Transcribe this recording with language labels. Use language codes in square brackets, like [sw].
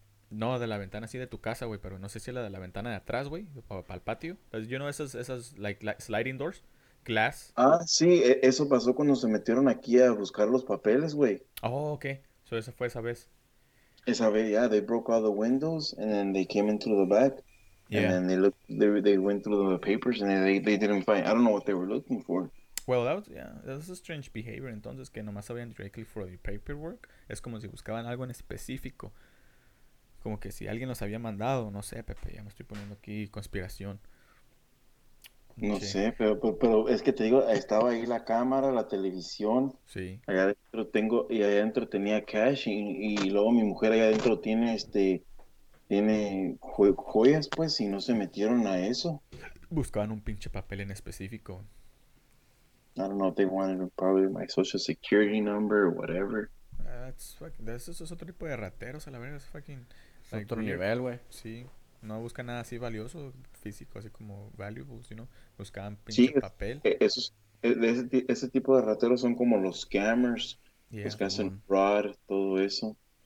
[es] No, de la ventana así de tu casa, güey. Pero no sé si la de la ventana de atrás, güey. Para el patio. Entonces, [en] you know, [es] esas [en] like sliding doors. Glass. [es] Ah, sí. Eso pasó cuando se metieron aquí a buscar los papeles, güey. [en] Oh, ok. So, [es] esa fue esa vez. Esa vez, [en] yeah, they broke all the windows and then they came in through the back. Yeah. And then they went through the papers and they didn't find, I don't know what they were looking for. Well, that's a strange behavior. [es] Entonces, que nomás sabían [en] directly for the paperwork. [es] Es como si buscaban algo en específico. Como que si alguien los había mandado, no sé, Pepe, ya me estoy poniendo aquí conspiración. No sí. sé, pero es que te digo, estaba ahí la cámara, la televisión. Sí. Allá adentro tengo, y allá adentro tenía cash, y luego mi mujer allá adentro tiene joyas, pues, y no se metieron a eso. Buscaban un pinche papel en específico. [en] I don't know, they wanted probably my social security number or whatever. [es] Eso es otro tipo de rateros, a la verdad, es fucking... Es like, otro nivel, güey. Sí. No buscan nada así valioso, físico, así como valuable, sino buscaban pinche papel. Ese tipo de rateros son como los scammers, [en] yeah, [es] los que hacen fraud, todo eso.